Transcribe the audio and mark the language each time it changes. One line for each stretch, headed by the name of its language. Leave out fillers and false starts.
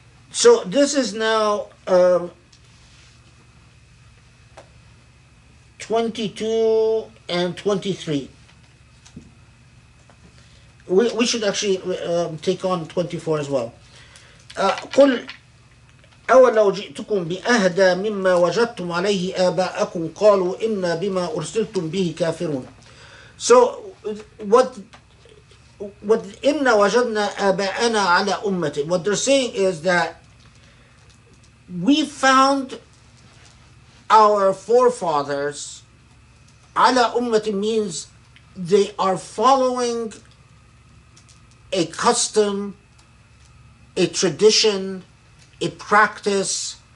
English: So this is now 22 and 23. We should actually take on 24 as well.
Arabic: قل أولو جئتكم بأهدى مما وجدتم عليه آباءكم قالوا إنا بما أرسلتم به كافرون.
English: So what
Arabic: إنا وجدنا آباءنا على أمة.
English: What they're saying is that we found our forefathers. Ala ummati means they are following a custom, a tradition, a practice.